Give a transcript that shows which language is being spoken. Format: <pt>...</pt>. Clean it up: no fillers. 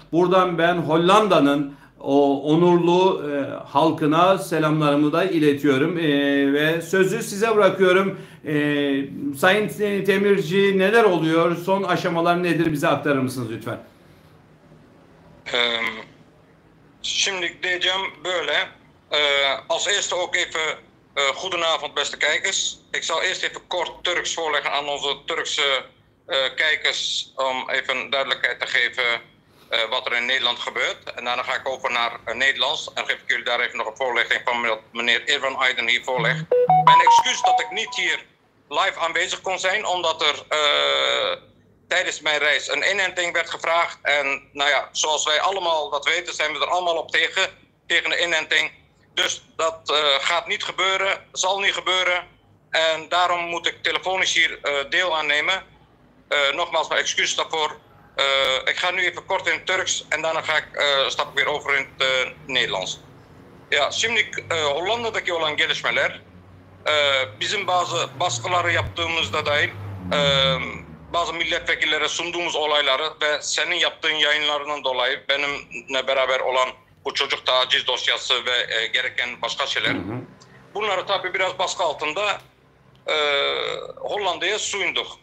<tr>Buradan ben Hollanda'nın o onurlu halkına selamlarımı da iletiyorum ve sözü size bırakıyorum. Sayın Temirci, neler oluyor? Son aşamalar nedir? Bize aktarır mısınız lütfen? Şimdilik diyeceğim böyle.</tr> <nl>Als eerste ook even goedenavond beste kijkers. Ik zal eerst even kort Turks voorleggen aan onze Turkse kijkers om even duidelijkheid te geven wat er in Nederland gebeurt. En daarna ga ik over naar Nederlands. En geef ik jullie daar even nog een voorlichting van wat meneer Irvan Aydın hier voorlegt. Mijn excuus dat ik niet hier live aanwezig kon zijn, omdat er tijdens mijn reis een inenting werd gevraagd. En nou ja, zoals wij allemaal dat weten, zijn we er allemaal op tegen de inenting. Dus dat gaat niet gebeuren, zal niet gebeuren. En daarom moet ik telefonisch hier deel aan nemen. Nogmaals mijn excuus daarvoor. Ik ga nu even kort in het Turks en daarna ga ik stap ik weer over in het Nederlands.</nl> <tr>Ja, şimdilik Hollanda'daki olan gelişmeler, bizim bazı baskıları yaptığımızda dahil, bazı milletvekillere sunduğumuz olayları ve senin yaptığın yayınlarından dolayı benimle beraber olan bu çocuk taciz dosyası ve gereken başka şeyler, bunları tabii biraz baskı altında Hollanda'ya sunduk.</tr>